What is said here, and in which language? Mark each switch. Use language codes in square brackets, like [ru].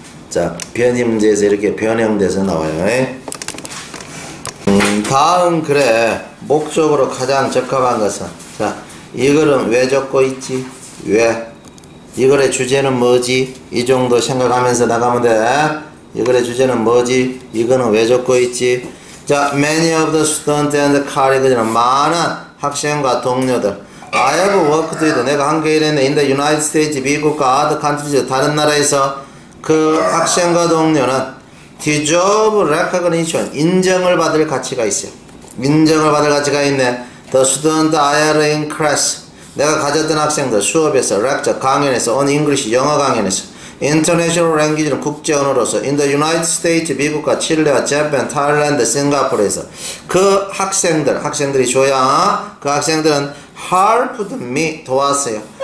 [ko] 자, 변이 문제에서 이렇게 변형돼서 나와요. 다음 글에 목적으로 가장 적합한 것은, 자, 이 글은 왜 적고 있지? 왜? 이 글의 주제는 뭐지? 이 정도 생각하면서 나가면 돼. 이 글의 주제는 뭐지? 이거는 왜 적고 있지? [en] 자, many of the students and colleagues는 [ko] 많은 학생과 동료들. [en] I have worked with, [ko] 내가 한 개 일했네. [en] In the United States, [ko] 미국과 [en] other countries, [ko] 다른 나라에서 그 학생과 동료는 [en] deserve recognition, [ko] 인정을 받을 가치가 있어요. 인정을 받을 가치가 있네. [en] The student I had in class, [ko] 내가 가졌던 학생들 수업에서, lecture, 강연에서, on English, 영어 강연에서, [en] international language [ko] 는 국제 언어로서, in the United States, 미국과 칠레와 Japan, 타일랜드, 싱가포르에서 그 학생들, 학생들이 줘야, 그 학생들은 [en] helped me, [ko] 도왔어요.